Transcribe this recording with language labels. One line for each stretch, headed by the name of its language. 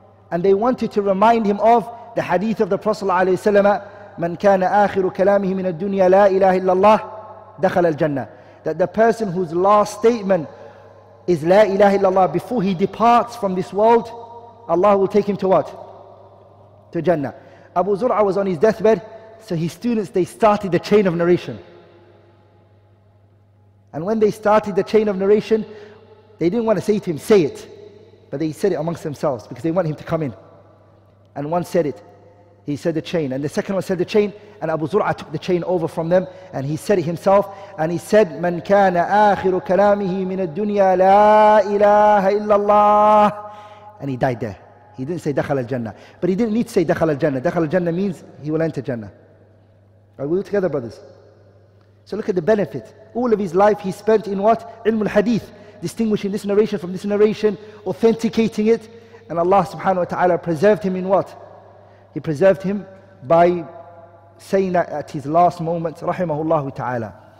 English: And they wanted to remind him of the hadith of the Prophet ﷺ,
Arabic: مَنْ كَانَ آخِرُ كَلَامِهِ مِنَ الدُّنْيَا لَا إِلَهِ إِلَّا اللَّهِ دَخَلَ الْجَنَّةِ.
English: That the person whose last statement is La ilaha illallah, before he departs from this world, Allah will take him to what? To Jannah. Abu Zur'a was on his deathbed, so his students, they started the chain of narration. And when they started the chain of narration, they didn't want to say to him, say it. But they said it amongst themselves, because they want him to come in. And one said it. He said the chain. And the second one said the chain. And Abu Zur'a took the chain over from them. And he said it himself. And he said,
Arabic: مَنْ كَانَ آخِرُ كَلَامِهِ مِنَ الدُّنْيَا لَا إِلَهَ إِلَّا اللَّهِ.
English: And he died there. He didn't say
Arabic: دَخَلَ الْجَنَّةِ.
English: But he didn't need to say دَخَلَ الْجَنَّةِ. دَخَلَ الْجَنَّةِ means he will enter Jannah. Are we together, brothers? So look at the benefit. All of his life he spent in what?
Arabic: علم الحديث.
English: Distinguishing this narration from this narration, authenticating it. And Allah subhanahu wa ta'ala preserved him in what? He preserved him by saying that at his last moments, rahimahullah ta'ala.